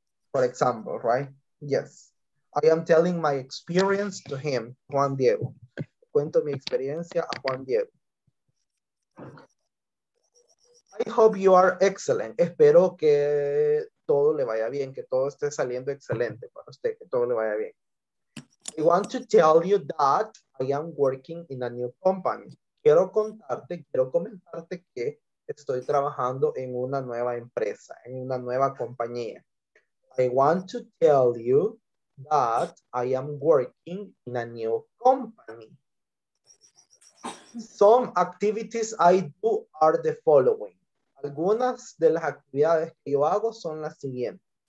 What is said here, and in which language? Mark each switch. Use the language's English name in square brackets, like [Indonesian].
[English] For example, right? Yes. I am telling my experience to him, Juan Diego. [Spanish] Cuento mi experiencia a Juan Diego. [English] I hope you are excellent. [Spanish] Espero que todo le vaya bien, que todo esté saliendo excelente para usted, que todo le vaya bien. [English] I want to tell you that I am working in a new company. [Spanish] Quiero contarte, quiero comentarte que estoy trabajando en una nueva empresa, en una nueva compañía. [English] I want to tell you that I am working in a new company. Some activities I do are the following. [Spanish] Algunas de las actividades que yo hago son las siguientes.